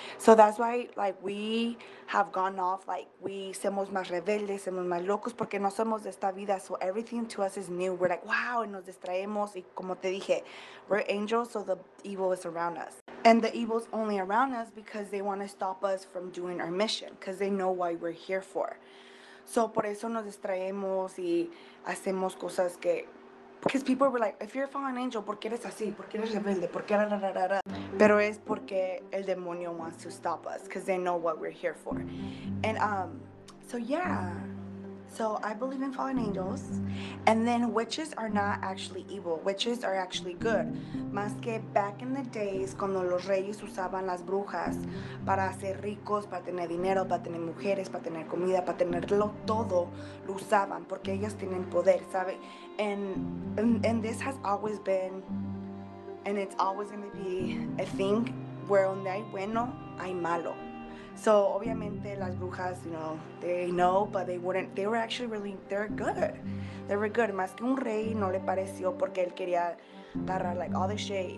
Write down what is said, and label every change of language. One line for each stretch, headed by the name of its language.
English: So that's why, like, we have gone off, like, we
Spanish: somos más rebeldes, somos más locos, porque no somos de esta vida,
English: so everything to us is new. We're like, wow, and
Spanish: nos distraemos, y como te dije,
English: we're angels, so the evil is around us. And the evil's only around us because they want to stop us from doing our mission, because they know why we're here for.
Spanish: So por eso nos distraemos y hacemos cosas que...
English: Because people were like, if you're a fallen angel, ¿por qué eres así? ¿Por qué eres rebelde? ¿Por qué rararara?
Spanish: Pero es porque el demonio
English: wants to stop us, because they know what we're here for. And so yeah, so I believe in fallen angels. And then witches are not actually evil. Witches are actually good.
Spanish: Más que
English: back in the days,
Spanish: cuando los reyes usaban las brujas para ser ricos, para tener dinero, para tener mujeres, para tener comida, para tenerlo todo, lo usaban porque ellas tienen poder, ¿sabe?
English: And this has always been, and it's always going to be a thing where
Spanish: donde hay bueno, hay malo.
English: So
Spanish: obviamente las brujas,
English: you know, they know, but they wouldn't, they were actually really, they're good. They were good.
Spanish: Más que un rey no le pareció porque él quería agarrar,
English: like, all the shit.